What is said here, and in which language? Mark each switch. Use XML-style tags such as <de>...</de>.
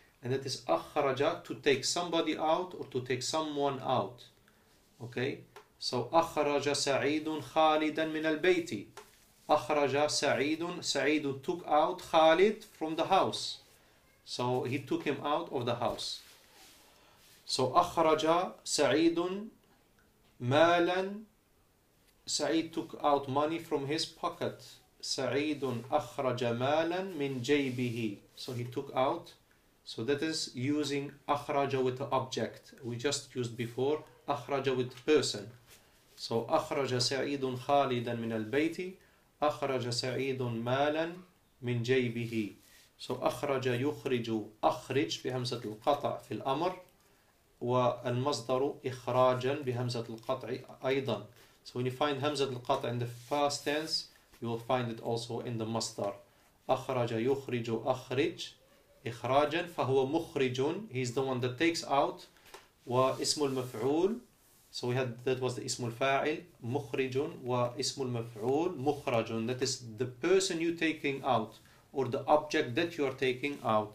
<en>And that is أخرج, to take somebody out or to take someone out. Okay?</en> <ar>So أخرج سعيد خالدا من البيت.</ar> <en>أخرج سعيد, سعيد took out خالد from the house. So he took him out of the house.</en> <ar>So أخرج سعيد مالا.</ar> <en>سعيد took out money from his pocket. سعيد أخرج مالا من جيبه. So he took out. So that is using أخرج with the object. We just used before أخرج with person.</en> <ar>So أخرج سعيد خالدا من البيت. أخرج سعيد مالا من جيبه. So أخرج يخرج أخرج بهمزة القطع في الأمر. والمصدر إخراجا بهمزة القطع أيضا.</ar> <en>So when you find همزة القطع in the past tense, you will find it also in the مصدر. أخرج يخرج أخرج إخراجا فهو مخرج. He's the one that takes out.</en> <ar>واسم المفعول.</ar> <en>So we had that was the اسم الفاعل مخرج واسم المفعول مخرج. That is the person you taking out or the object that you are taking out.</en>